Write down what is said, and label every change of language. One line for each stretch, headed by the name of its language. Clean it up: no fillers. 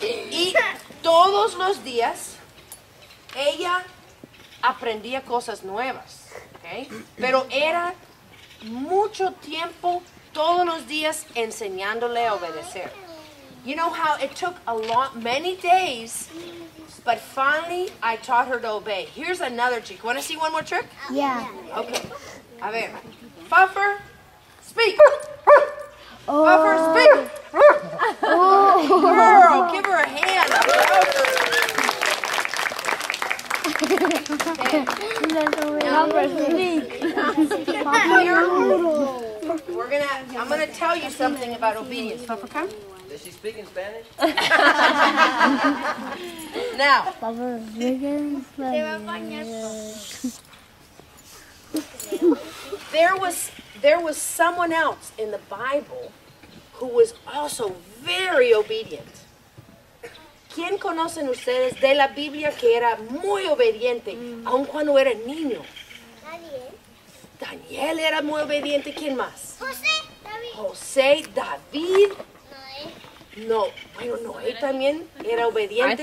Spanish: Y todos los días ella aprendía cosas nuevas, okay? Pero era mucho tiempo todos los días enseñándole a obedecer.
English: You know how it took a lot, many days, but finally I taught her to obey. Here's another trick. Want to see one more trick? Yeah. Okay.
Spanish: A ver.
English: Buffer, speak. Oh. Buffer, speak. Oh. Girl, give her a hand. Okay. I'm gonna tell you something about obedience. Buffer, come. Does she speak in Spanish? Now. Buffer, speak in Spanish. There was someone else in the Bible who was also very obedient.
Spanish: ¿Quién conocen ustedes de la Biblia que era muy obediente, aun cuando era niño? Daniel era muy obediente. ¿Quién más? José, David. Noé. No, bueno, Noé también era obediente.